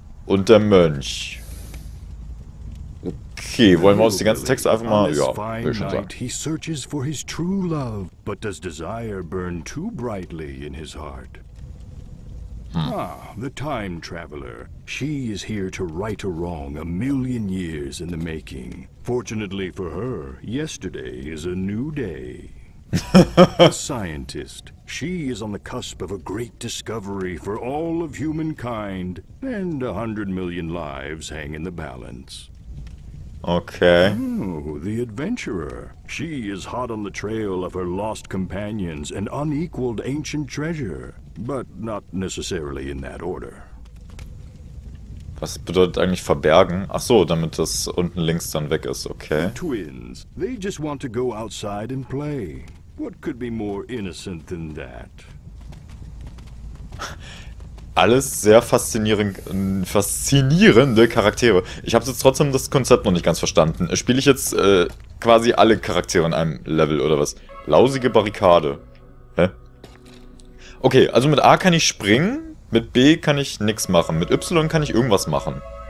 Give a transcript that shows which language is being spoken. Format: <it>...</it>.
<de>und der Mönch. Okay, wollen wir uns die ganzen Texte einfach mal, ja, will ich schon sagen.</de> <en>He searches for his true love, but does desire burn too brightly in his heart? Ah, the time traveler. She is here to right a wrong a million years in the making. Fortunately for her, yesterday is a new day. A scientist. She is on the cusp of a great discovery for all of humankind, and 100 million lives hang in the balance. Okay. Oh, the adventurer. She is hot on the trail of her lost companions and unequaled ancient treasure. But not necessarily in that order.</en> <de>Was bedeutet eigentlich verbergen? Ach so, damit das unten links dann weg ist, okay.</de> <en>The twins. They just want to go outside and play. What could be more innocent than that?</en> <de>Alles sehr faszinierende Charaktere. Ich habe jetzt trotzdem das Konzept noch nicht ganz verstanden. Spiele ich jetzt quasi alle Charaktere in einem Level oder was? Lausige Barrikade. Hä? Okay, also mit A kann ich springen, mit B kann ich nichts machen, mit Y kann ich irgendwas machen.</de>